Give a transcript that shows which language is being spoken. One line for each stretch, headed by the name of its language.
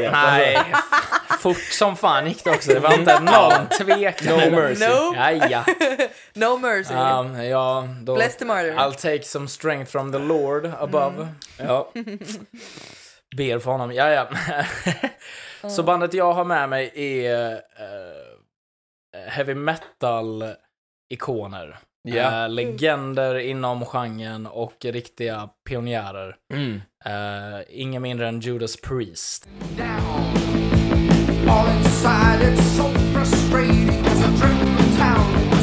Swedish: Nej, fort som fan gick det också. Det var inte någon tvekan.
English: No mercy. Nope. Ja. No mercy.
Swedish: Ja, då,
English: bless the martyr. I'll take some strength from the Lord above.
Swedish: Mm. Ja. Ber för honom. Ja. Så bandet jag har med mig är heavy metal-ikoner.
English: Yeah.
Swedish: Legender inom genren och riktiga pionjärer. Inga mindre än Judas Priest.
English: All inside it's so frustrating as a dream in town.